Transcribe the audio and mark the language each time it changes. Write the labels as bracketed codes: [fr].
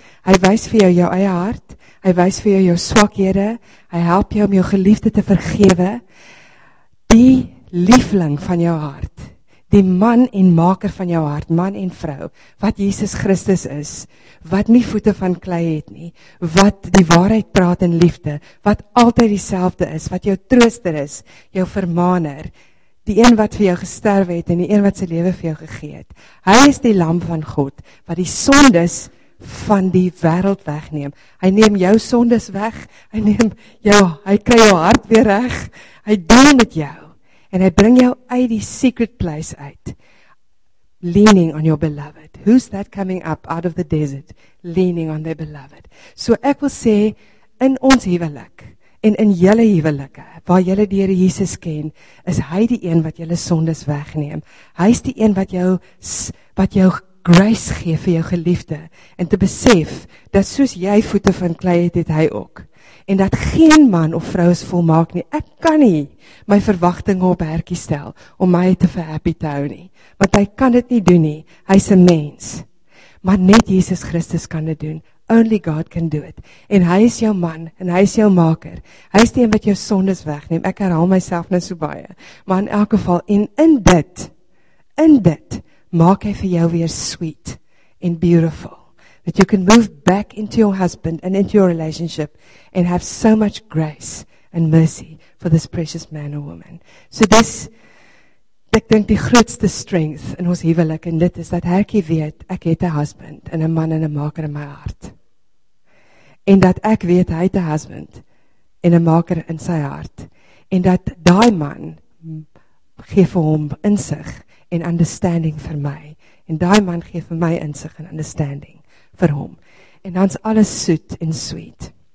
[af] Hy wys vir jou jou eie hart, hy wys vir jou jou swakhede, hy help jou om jou geliefde te vergewe, die liefling van jou hart, die man en maker van jou hart, man en vrou, wat Jesus Christus is, wat nie voete van klei het nie, wat die waarheid praat in liefde, wat altyd dieselfde is, wat jou trooster is, jou vermaner, die een wat vir jou gesterf het en die een wat sy lewe vir jou gegee het. Hy is die lam van God, wat die sondes van die wêreld wegneem. Hy neem jou sondes weg, hy neem jou, hy kry jou hart weer reg, hy deel met jou, en hy bring jou uit die secret place uit. [en] Leaning on your beloved. Who's that coming up out of the desert? Leaning on their beloved. [af] So ek wil sê, in ons huwelik, en in julle huwelike, waar julle die Here Jesus ken, is hy die een wat julle sondes wegneem. Hy is die een wat jou grace gee vir jou geliefde en te besef dat soos jy voete van klei het, het hy ook. En dat geen man of vrou is volmaak nie. Ek kan nie my verwagtinge op Hertjie stel om my te verhappy te hou nie. Want hy kan dit nie doen nie. Hy is 'n mens. Maar net Jesus Christus kan dit doen. [en] Only God can do it. [af] En hy is jou man en hy is jou maker. Hy is die een wat jou sondes wegneem. Ek herhaal myself nou so baie. Maar in elk geval, en in dit, maak hy vir jou weer [en] sweet and beautiful, that you can move back into your husband and into your relationship and have so much grace and mercy for this precious man or woman. [af] So dis, ek denk die grootste strength in ons huwelik, en dit is dat Hertjie weet, ek het 'n husband en 'n man en 'n maker in my hart. En dat ek weet, hy het 'n husband en 'n maker in sy hart. En dat die man gee vir hom insig en understanding vir my, en die man gee vir my insig en understanding vir hom, en dan is alles soet en sweet.